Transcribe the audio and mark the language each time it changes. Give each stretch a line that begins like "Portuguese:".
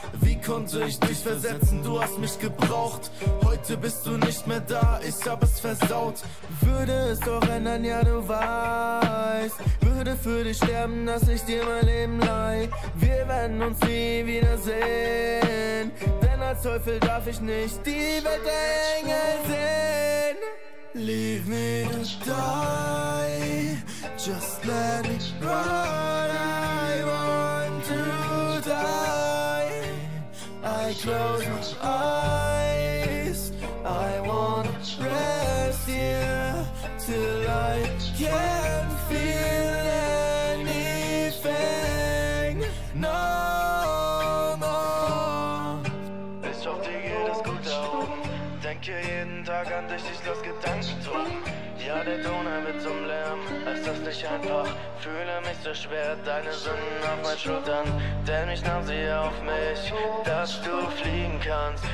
German: Wie konnte ich dich versetzen, du hast mich gebraucht. Heute bist du nicht mehr da, ich hab es versaut. Würde es doch ändern, ja du weißt. Würde für dich sterben, dass ich dir mein Leben leih. Wir werden uns nie wiedersehen. Denn als Teufel darf ich nicht die Welt der Engel sehen.
English: Leave me to die, just let it run. I want to die. I close my eyes, I want to rest here till I can't feel anything no more.
German: Bis auf dich geht es gut darum. Denke jeden Tag an dich, ich lass Gedanken drum. Ja, der Donner wird zum Lärm, es ist nicht einfach. Fühle mich so schwer, deine Sünden auf meinen Schultern. Denn ich nahm sie auf mich, dass du fliegen kannst.